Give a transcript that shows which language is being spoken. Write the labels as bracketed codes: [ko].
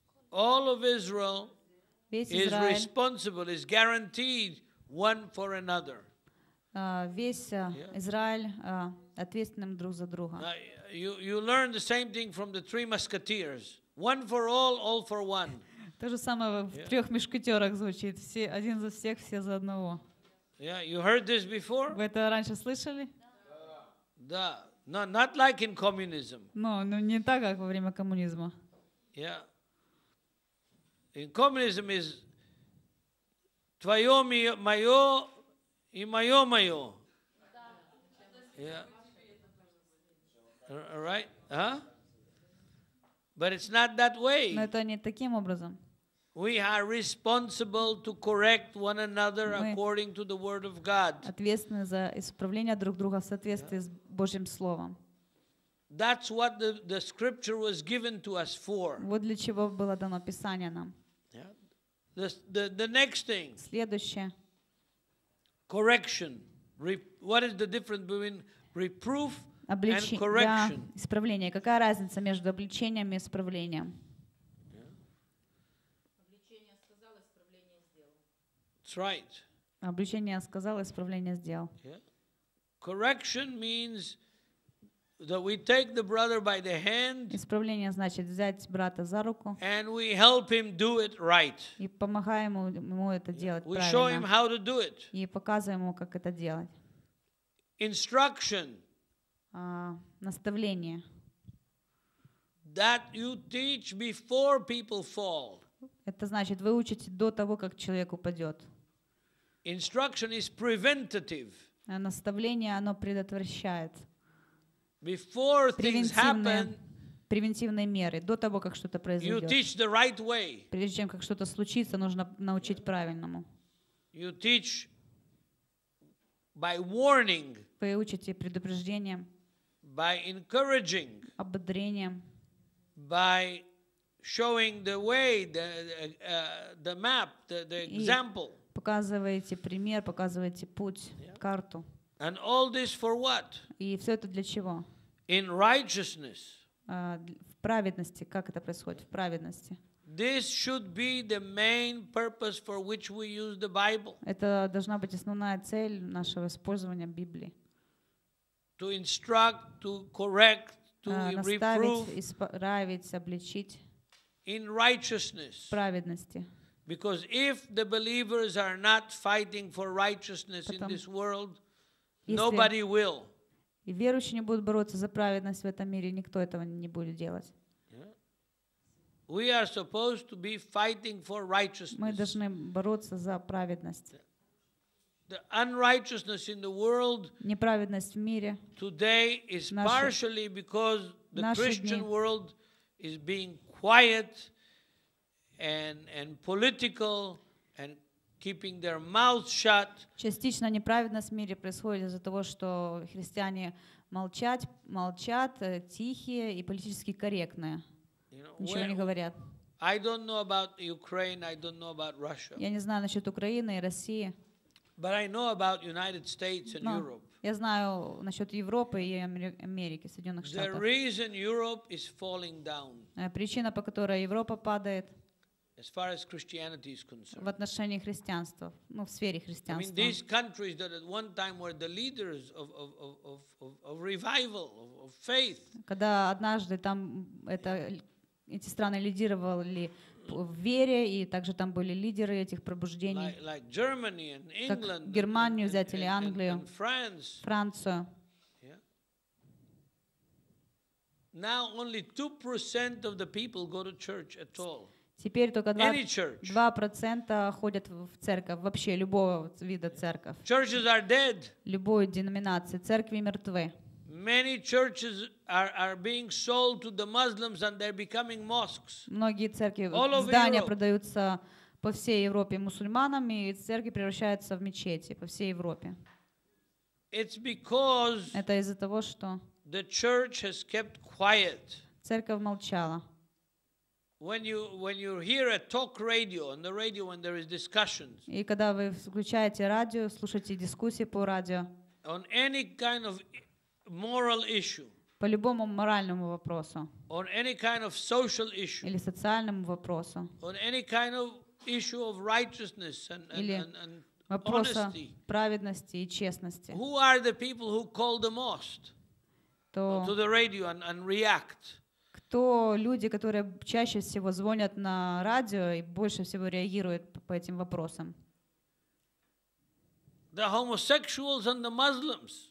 [en] All of Israel is responsible, is guaranteed one for another. [ru] Весь Израиль ответственным друг за друга. [en] You learn the same thing from the three musketeers. One for all for one. [ru] То же самое в трех мушкетерах звучит. Все один за всех, все за одного. [en] Yeah, you heard this before? [ru] Вы это раньше слышали? [en] Да, no, not like in communism. [ru] Ну, не так, как во время коммунизма. [en] Yeah. In communism is [ru] твое, мое и мое, мое. [en] Yeah. Right? Huh? But it's not that way. [ru] Но это не таким образом. [en] We are responsible to correct one another according to the word of God. [ru] Ответственны за исправление друг друга в соответствии с Божьим словом. [en] That's what the scripture was given to us for. [ru] Вот для чего было дано Писание нам. [en] The next thing. [ru] Следующее. [en] Correction. What is the difference between reproof and correction? [ru] Исправление. Какая разница между обличением и исправлением? [en] Right. [ru] Обличение сказал, исправление сделал. [en] Correction means that we take the brother by the hand. [ru] Исправление значит взять брата за руку. [en] And we help him do it right. [ru] И помогаем ему это делать правильно. [en] We show him how to do it. [ru] И показываем ему, как это делать. [en] Instruction. [ru] Наставление. [en] That you teach before people fall. [ru] Это значит, вы учите до того, как человек упадет. [en] Instruction is preventative. [ru] Наставление, оно предотвращает. [en] Before things happen. [ru] Превентивные меры до того, как что-то произойдет. [en] You teach the right way. [ru] Прежде чем как что-то случится, нужно научить правильному. [en] You teach by warning. [ru] Вы учите предупреждением. [en] By encouraging. [ru] Ободрением. [en] By showing the way, the map, the example. [ru] Показываете пример, показываете путь, карту. [en] And all this for what? [ru] И все это для чего? [en] In righteousness. [ru] В праведности. Как это происходит? В праведности. [en] This should be the main purpose for which we use the Bible. [ru] Это должна быть основная цель нашего использования Библии. [en] To instruct, to correct, to reprove. [ru] Наставить, исправить, обличить. [en] In righteousness. [ru] В праведности. [en] Because if the believers are not fighting for righteousness in this world, nobody will. [ru] И верующие не будут бороться за праведность в этом мире, никто этого не будет делать. [en] We are supposed to be fighting for righteousness. [ru] Мы должны бороться за праведность. [en] The unrighteousness in the world. [ru] Неправедность в мире. [en] Today is partially because the Christian world is being quiet. And political and keeping their mouths shut. [ru] Частично неправедность в мире происходит из-за того, что христиане молчат, тихие и политически корректные. Ничего не говорят. [en] I don't know about Ukraine, I don't know about Russia. [ru] Я не знаю насчёт Украины и России. [en] But I know about United States and Europe. [ru] Я знаю насчёт Европы и Америки, Соединённых Штатов. [en] The reason Europe is falling down. [ru] Причина, по которой Европа падает. [en] As far as Christianity is concerned. [ru] В отношении христианства, ну, в сфере христианства. [en] I mean, these countries that at one time were the leaders of revival of faith. [ru] Когда однажды там это эти страны лидировали в вере, и также там были лидеры этих пробуждений. [en] Like Germany and England, [ru] как Германию взять или Англию, [en] and France. [ru] Францию. [en] Yeah. Now only 2% of the people go to church at all. [ru] Теперь только 2% ходят в церковь, вообще любого вида церковь. [en] Churches are dead. [ru] Любой деноминации. Церкви мертвы. [en] Many churches are being sold to the Muslims and they're becoming mosques. [ru] Многие церкви, здания продаются по всей Европе мусульманам, и церкви превращаются в мечети по всей Европе. [en] It's because [ru] это из-за того, что [en] the church has kept quiet. [ru] Церковь молчала. [en] When you hear a talk radio on the radio when there is discussions. [ru] И когда вы включаете радио, слушаете дискуссии по радио. [en] On any kind of moral issue. [ru] По любому моральному вопросу. [en] On any kind of social issue. [ru] Или социальному вопросу. [en] On any kind of issue of righteousness and [ru] или вопроса праведности и честности. [en] Who are the people who call the most? To the radio and react. [ru] Кто люди, которые чаще всего звонят на радио и больше всего реагируют по этим вопросам? [en] The homosexuals and the Muslims.